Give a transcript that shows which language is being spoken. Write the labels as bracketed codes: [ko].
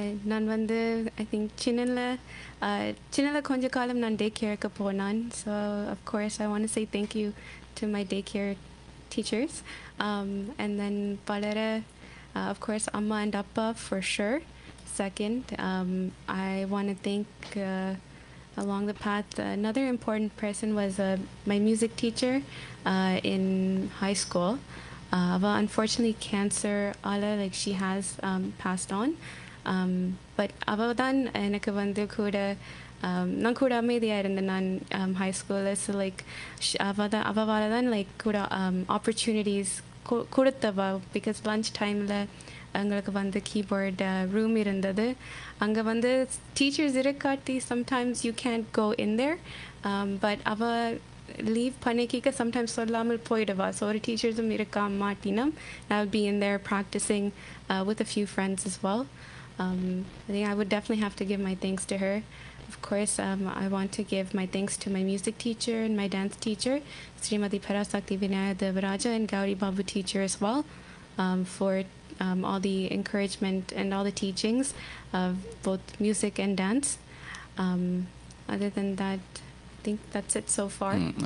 [ta] நான் வந்து [en] I think [ta] சின்னதில் கொஞ்ச காலம் நான் டே கேர்க்கு போனான். [en] so of course I want say thank you to my day care teachers, and then [ta] palara, [en] of course amma and appa for sure. Second, I want to thank along the path another important person was my music teacher in high school. But unfortunately cancer ala like she has passed on, [ta] but avadan enakku vandu kuda நான் கூட அமைதியாக இருந்தேன் நான் high ஸ்கூலில். So like அவள் தான் like கூட opportunities கொடுத்தவா because lunch டைமில் எங்களுக்கு வந்து கீபோர்ட் ரூம் இருந்தது. அங்கே வந்து teachers இருக்காட்டி [en] sometimes you can't go in there, [ta] but அவ லீவ் பண்ணிக்க சம்டைம்ஸ் சொல்லாமல் போயிடுவா. [en] so [ta] ஒரு டீச்சர்ஸும் இருக்கா மாட்டினம் [en] I will be in there practising with a few friends as well. I would definitely have to give my thanks to her. Of course, I want to give my thanks to my music teacher and my dance teacher, Srimati Parasakti Vinaya Devaraja and Gauri Babu teacher as well, for all the encouragement and all the teachings of both music and dance. Other than that, I think that's it so far.